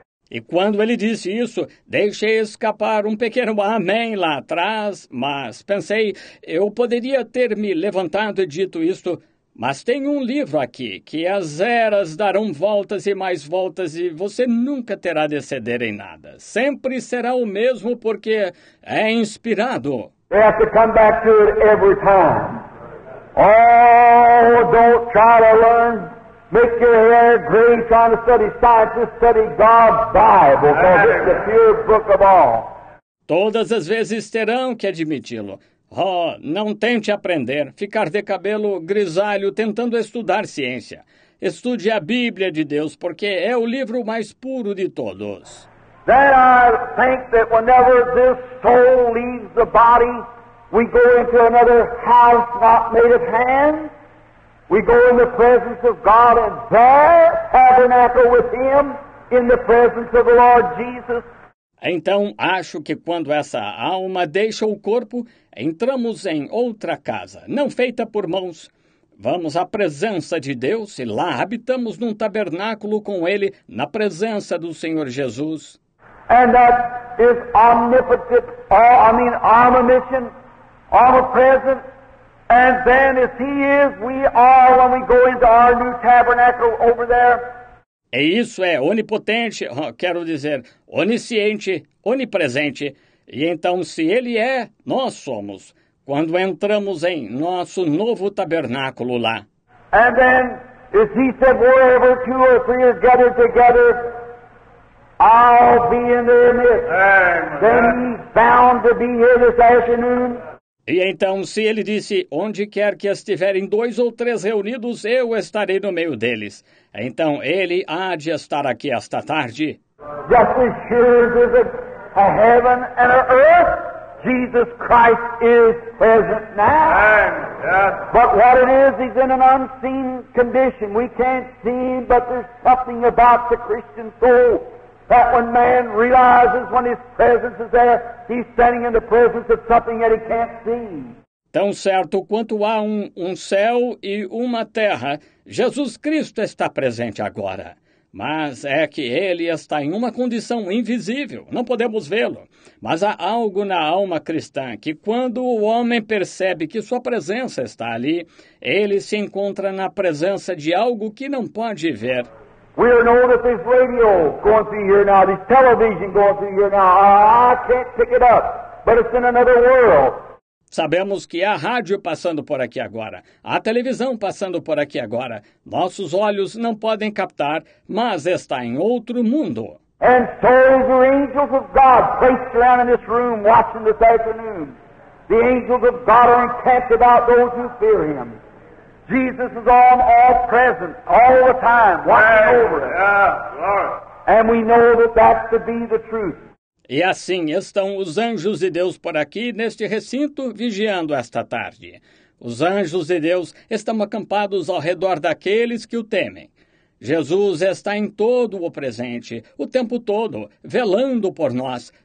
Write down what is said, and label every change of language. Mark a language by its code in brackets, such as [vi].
[pt] E quando ele disse isso, deixei escapar um pequeno amém lá atrás, mas pensei, eu poderia ter me levantado e dito isto. Mas tem um livro aqui que as eras darão voltas e mais voltas e você nunca terá de ceder em nada. Sempre será o mesmo porque é inspirado. [en] They have to come back to it every time. Oh, don't try to learn. Make your hair gray trying to study science. Just study God's Bible, because it's the pure book of all. [pt] Todas as vezes terão que admiti-lo. Oh, não tente aprender, ficar de cabelo grisalho tentando estudar ciência. Estude a Bíblia de Deus, porque é o livro mais puro de todos. [en] Then I think that whenever this soul leaves the body, we go into another house not made of hands. We go in the presence of God and there tabernacle with Him in the presence of the Lord Jesus. [pt] Então, acho que quando essa alma deixa o corpo, entramos em outra casa, não feita por mãos. Vamos à presença de Deus e lá habitamos num tabernáculo com Ele, na presença do Senhor Jesus. [en] And that is omnipotent, omniscient, omnipresent. And then, as He is, we are when we go into our new tabernacle over there. [pt] E isso é onipotente, quero dizer, onisciente, onipresente. E então, se Ele é, nós somos, quando entramos em nosso novo tabernáculo lá. [en] And then, as He said, wherever two or three are gathered together, I'll be in their midst. Then He's bound to be here this afternoon. [pt] E então, se Ele disse, onde quer que estiverem dois ou três reunidos, eu estarei no meio deles. Então, Ele há de estar aqui esta tarde. [en] Just as sure as there's a heaven and a earth, Jesus Christ is present now. But what it is, He's in an unseen condition. We can't see Him, but there's something about the Christian soul that when man realizes when His presence is there, He's standing in the presence of something that he can't see. [pt] Tão certo quanto há um céu e uma terra, Jesus Cristo está presente agora. Mas é que Ele está em uma condição invisível, não podemos vê-lo. Mas há algo na alma cristã que quando o homem percebe que sua presença está ali, ele se encontra na presença de algo que não pode ver. [en] We know that this radio going through here now, this television going through here now, I can't pick it up, but it's in another world. [pt] Sabemos que há rádio passando por aqui agora, há televisão passando por aqui agora. Nossos olhos não podem captar, mas está em outro mundo. [en] And so the angels of God placed around in this room watching this afternoon. The angels of God are encamped about those who fear Him. Jesus is on all present, all the time, watching over us. And we know that that to be the truth. [pt] E assim estão os anjos de Deus por aqui, neste recinto, vigiando esta tarde. Os anjos de Deus estão acampados ao redor daqueles que o temem. Jesus está em todo o presente, o tempo todo, velando por nós.